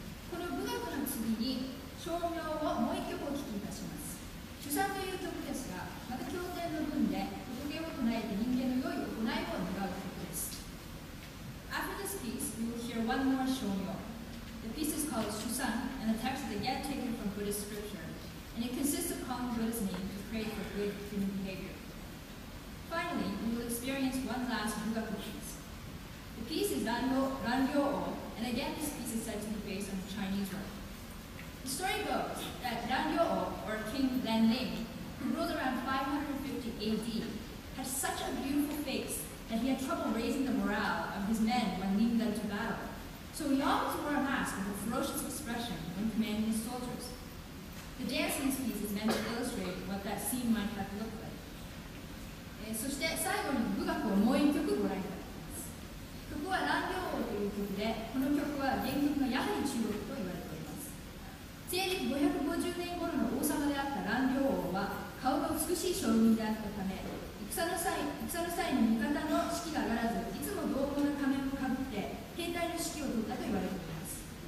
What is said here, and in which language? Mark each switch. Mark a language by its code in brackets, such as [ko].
[ja] この舞楽の次に、唱名をもう一曲お聴きいたします。主賛という曲ですが、また経典の文で、仏を唱えて人間の良い行いを願う曲です。 [en] After this piece, you will hear one more 唱名. The piece is called 主賛, and the text is again taken from Buddhist scripture. And it consists of calling Buddha's name to pray for good human behavior. Finally, we will experience one last bugaku piece. The piece is Rangyo-o, and again this piece is said to be based on Chinese work. The story goes that Rangyo-o, or King Lanling, who ruled around 550 AD, had such a beautiful face that he had trouble raising the morale of his men when leading them to battle. So he always wore a mask with a ferocious expression when commanding his soldiers. The dance in this piece is meant to illustrate what that scene might have looked like. [ja] そして最後に舞楽をもう一曲ご覧いただきます。曲は乱行王という曲で、この曲は原曲がやはり中国と言われております。西暦550年頃の王様であった乱行王は、顔が美しい将軍であったため、戦の際に味方の士気が上がらず、いつも同行の仮面をかぶって、兵隊の士気を取ったと言われております。